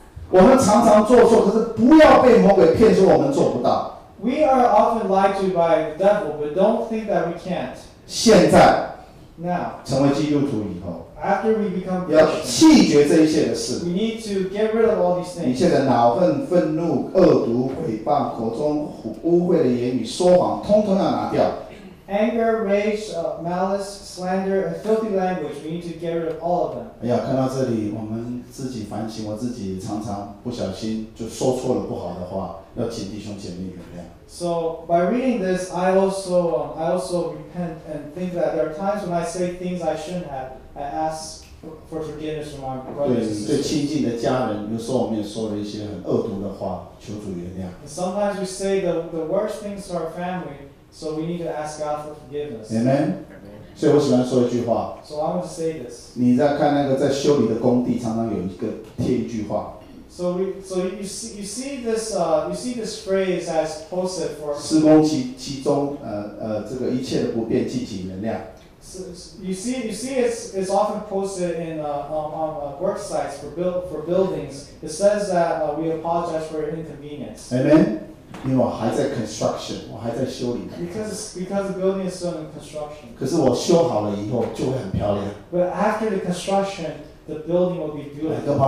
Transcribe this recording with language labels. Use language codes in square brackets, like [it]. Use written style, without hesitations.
[zh] 我们常常做错，可是不要被魔鬼骗说我们做不到。 [en] We are often lied to by the devil, but don't think that we can't. [zh] 现在 [en] ，Now， [zh] 成为基督徒以后 [en] ，After we become， [zh] 要弃绝这一切的事。 [en] We need to get rid of all these things. [zh] 你现在恼恨、愤怒、恶毒、诽谤、口中污秽的言语、说谎，通通要拿掉。 [en] Anger, rage, malice, slander, and filthy language, we need to get rid of all of them. [zh] 哎呀，看到这里，我们自己反省，我自己常常不小心就说错了不好的话，要请弟兄姐妹原谅。 [en] So by reading this, I also repent and think that there are times when I say things I shouldn't have, I ask for forgiveness from my brothers. [zh] 对，最亲近的家人，有时候我们也说了一些很恶毒的话，求主原谅。 [en] And sometimes we say the worst things to our family. So we need to ask God for forgiveness. [zh] Amen. 所以我喜欢说一句话。 [en] So I want to say this. [zh] 你在看那个在修理的工地，常常有一个贴一句话。 [en] So you see this phrase as posted for 施工其中这个一切的不变即即能量. So you see it's often posted in on work sites for buildings. It says that we apologize for inconvenience. [zh] Amen. 因为我还在 construction， 我还在修理。 [en] Because the building is still in construction. [zh] 可是我修好了以后就会很漂亮。 [en] But after the construction, the building will be beautiful.